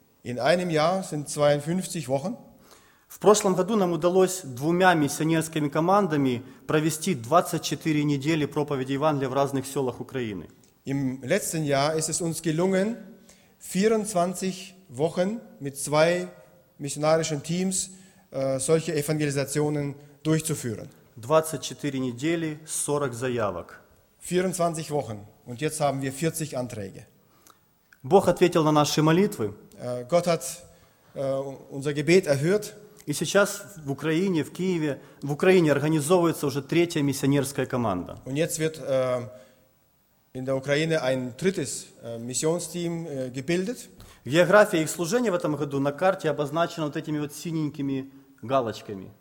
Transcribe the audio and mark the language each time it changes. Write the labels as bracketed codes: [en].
[de] In einem Jahr sind 52 Wochen. [ru] В прошлом году нам удалось двумя миссионерскими командами провести 24 недели проповеди Евангелия в разных селах Украины. [de] Im letzten Jahr ist es uns gelungen, 24 Wochen mit zwei missionarischen Teams solche Evangelisationen durchzuführen. [ru] 24 недели, 40 заявок. [de] 24 Wochen und jetzt haben wir 40 Anträge. [ru] Бог ответил на наши молитвы. [de] Gott hat unser Gebet erhört. [ru] И сейчас в Украине, в Киеве, в Украине организовывается уже третья миссионерская команда. [de] Und jetzt wird in der Ukraine ein drittes Missionsteam gebildet. [ru] География их служения в этом году на карте обозначена вот этими вот синенькими галочками.